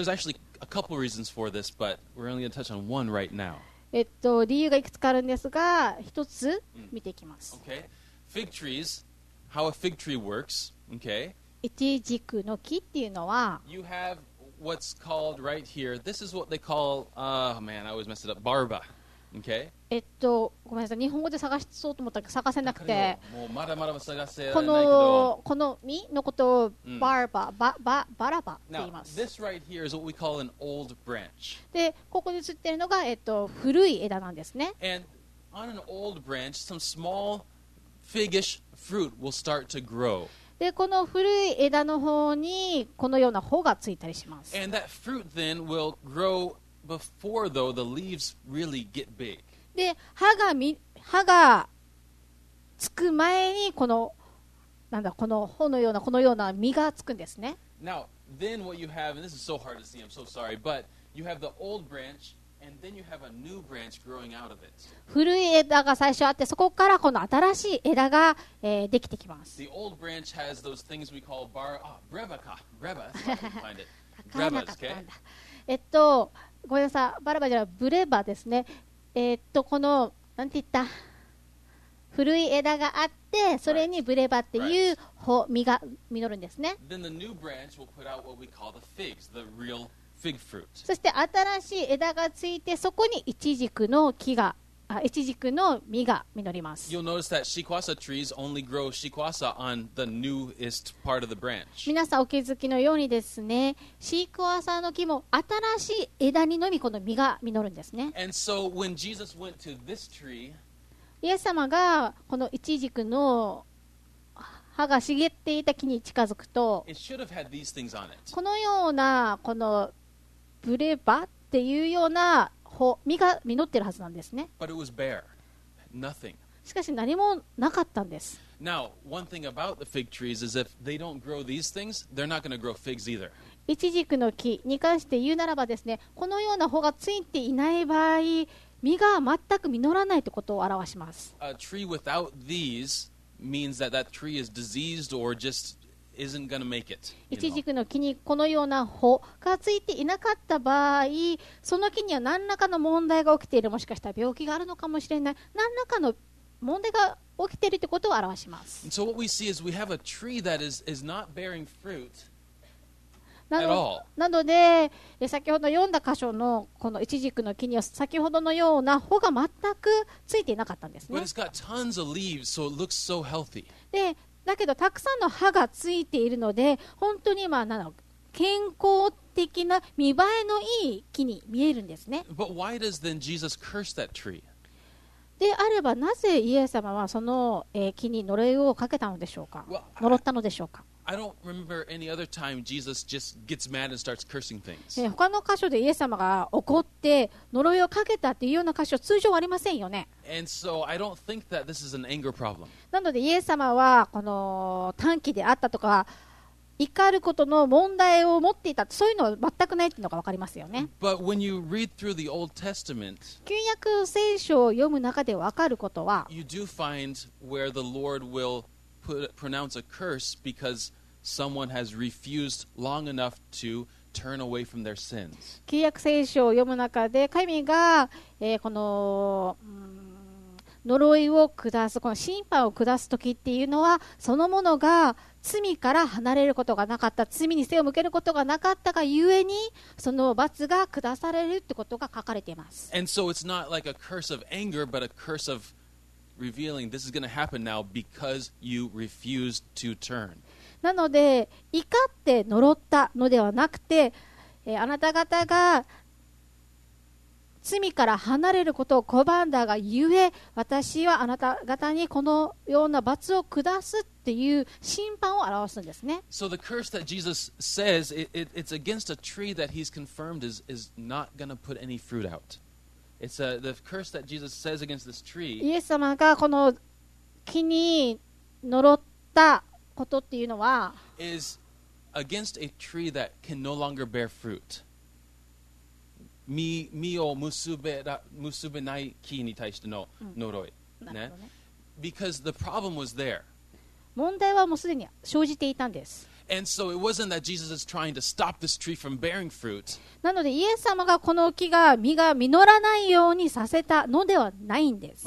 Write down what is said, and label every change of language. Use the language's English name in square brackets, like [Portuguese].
[English] There's actually a couple reasons for this, but we're only going to touch on one right now. [Japanese] 理由がいくつかあるんですが、一つ見ていきます。 [English] Okay. Fig trees, how a fig tree works. Okay. [Japanese] イチジクの木っていうのは、 [English] You have what's called right here. This is what they call, man, I always mess it up, barba. Okay. [Japanese] ごめんなさい、日本語で探しそうと思ったけど探せなくて、もうまだまだ探せないけど、この実のことをバーバ、うん、バラバって言います。 [English] Now, this right here is what we call an old branch. [Japanese] でここに写ってるのが、古い枝なんですね。 [English] And on an old branch, some small figish fruit will start to grow. [Japanese] でこの古い枝の方にこのような穂がついたりします。 [English] And that fruit then will growBefore though, the leaves really get big. [Japanese] で、葉がつく前にこのなんだこの穂のようなこのような実がつくんですね。 [English] Now, then what you have, and this is so hard to see, I'm so sorry, but you have the old branch, and then you have a new branch growing out of it. [Japanese] 古い枝が最初あって、そこからこの新しい枝が、できてきます。 [English] The old branch has those things we call breva か。 breva, that's how I can find it. brevas, okay? [Japanese] ごめんなさい、バラバじゃない、ブレバですね。この、なんて言った、古い枝があって、それにブレバっていう穂、実が実るんですね。 [English] Then the new branch will put out what we call the figs, the real fig fruit. [Japanese] そして新しい枝がついて、そこにイチジクの木が、イチジクの実が実ります。 [English] You'll notice that shikwasa trees only grow shikwasa on the newest part of the branch. [Japanese] 皆さんお気づきのようにですね、シークワーサーの木も新しい枝にのみこの実が実るんですね。 [English] And so when Jesus went to this tree, [Japanese] イエス様がこのイチジクの葉が茂っていた木に近づくと、 [English] It should have had these things on it. [Japanese] このようなこのぶればっていうような実が実ってるはずなんですね。 [English] But it was bare. Nothing. [Japanese] しかし何もなかったんです。 [English] Now, one thing about the fig trees is if they don't grow these things, they're not going to grow figs either. [Japanese] イチジクの木に関して言うならばですね、このような穂がついていない場合、実が全く実らないということを表します。 [English] A tree without these means that that tree is diseased or just isn't going to make it. [Japanese] イチジクの木にこのような穂がついていなかった場合、その木には何らかの問題が起きている、もしかしたら病気があるのかもしれない、何らかの問題が起きているということを表します。 [English] So what we see is we have a tree that is not bearing fruit [Japanese] なので、先ほど読んだ箇所のこのイチジクの木には先ほどのような穂が全くついていなかったんですね。 [English] But it's got tons of leaves, so it looks so healthy. [Japanese] で、だけどたくさんの葉がついているので、本当にまあ健康的な見栄えのいい木に見えるんですね。 [English] But why does then Jesus curse that tree? [Japanese] であればなぜイエス様はその木に呪いをかけたのでしょうか、呪ったのでしょうか。 [English] I don't remember any other time Jesus just gets mad and starts cursing things. [Japanese] 他の箇所でイエス様が怒って呪いをかけたっていうような箇所通常ありませんよね。 [English] And so I don't think that this is an anger problem. [Japanese] なのでイエス様はこの短気であったとか怒ることの問題を持っていた、そういうのは全くないっていうのが分かりますよね。 [English] But when you read through the Old Testament, [Japanese] 旧約聖書を読む中で分かることは、 [English] you do find where the Lord will pronounce a curse because someone has refused long enough to turn away from their sins. [Japanese] 旧約聖書を読む中で神が、この呪いを下す、この審判を下す時っていうのは、そのものが罪から離れることがなかった、罪に背を向けることがなかったがゆえに、その罰が下されるってことが書かれています。 [English] And so it's not like a curse of anger, but a curse of revealing this is going to happen now because you refuse to turn. [Japanese] なので怒って呪ったのではなくて、あなた方が罪から離れることを拒んだがゆえ、私はあなた方にこのような罰を下すっていう審判を表すんですね。 [English] So the curse that Jesus says, it's against a tree that he's confirmed is not going to put any fruit out. It's the curse that Jesus says against this tree. [Japanese] イエス様がこの木に呪ったことっていうのは、 [English] is against a tree that can no longer bear fruit. [Japanese] 実を結べない木に対しての呪い、ね、 [English] Because the problem was there. [Japanese] 問題はもうすでに生じていたんです。 [English] And so it wasn't that Jesus is trying to stop this tree from bearing fruit. [Japanese] なのでイエス様がこの木が実が実らないようにさせたのではないんです。